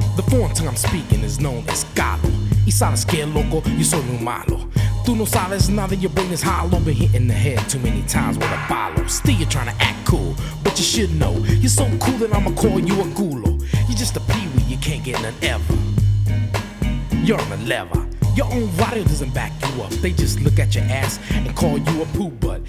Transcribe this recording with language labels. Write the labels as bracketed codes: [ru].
[en] Foreign tongue I'm speaking is known as Galo. [es] Y sabes que loco, yo soy muy malo. Tú no sabes nada, [en] your brain is hollow. Been hitting the head too many times with a palo. Still you're trying to act cool, but you should know. You're so cool that I'ma call you a gulo. You're just a peewee, you can't get none ever. You're on the lever. Your own barrio doesn't back you up. They just look at your ass and call you a poo butt.